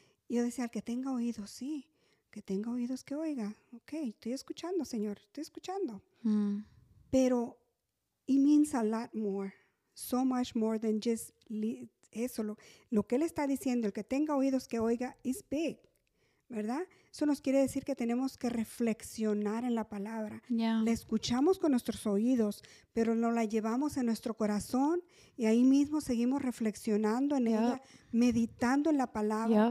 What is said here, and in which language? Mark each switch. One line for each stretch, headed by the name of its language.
Spanish: Y yo decía, al que tenga oídos, sí. Que tenga oídos que oiga. Ok, estoy escuchando, Señor, estoy escuchando. Mm.
English: Pero it means a lot more, so much more than just eso.
Spanish: Lo que él está diciendo, el que tenga oídos que oiga,
English: is big,
Spanish: ¿verdad? Eso nos quiere decir que tenemos que reflexionar en la palabra.
English: Yeah.
Spanish: La escuchamos con nuestros oídos, pero no la llevamos en nuestro corazón y ahí mismo seguimos reflexionando en ella, meditando en la palabra.